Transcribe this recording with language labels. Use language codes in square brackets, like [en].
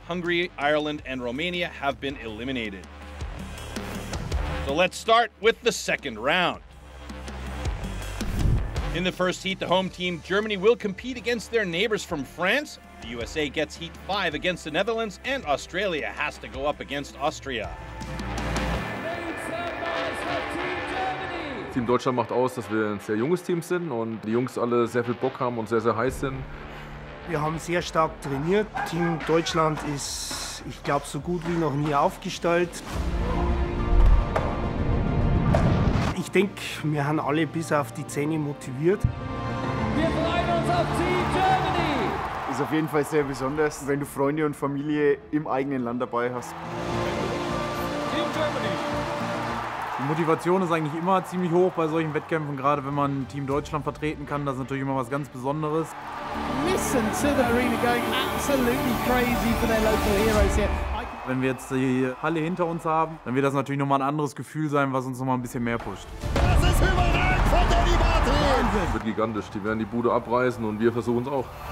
[en] Hungary, Ireland, and Romania have been eliminated. So let's start with the second round. In the first heat, the home team, Germany, will compete against their neighbors from France. The USA gets heat 5 against the Netherlands, and Australia has to go up against Austria. [de] Team Deutschland macht aus, dass wir ein sehr junges Team sind und die Jungs alle sehr viel Bock haben und sehr, sehr heiß sind. Wir haben sehr stark trainiert. Team Deutschland ist, ich glaube, so gut wie noch nie aufgestellt. Ich denke, wir haben alle bis auf die Zähne motiviert. Wir freuen uns auf Team Germany! Ist auf jeden Fall sehr besonders, wenn du Freunde und Familie im eigenen Land dabei hast. Team Germany! Die Motivation ist eigentlich immer ziemlich hoch bei solchen Wettkämpfen, gerade wenn man Team Deutschland vertreten kann, das ist natürlich immer was ganz Besonderes. [en] Listen to the arena going absolutely crazy for their local heroes here. [de] Wenn wir jetzt die Halle hinter uns haben, dann wird das natürlich nochmal ein anderes Gefühl sein, was uns nochmal ein bisschen mehr pusht. Das ist überragend von Danny Martin! Das wird gigantisch, die werden die Bude abreißen und wir versuchen es auch.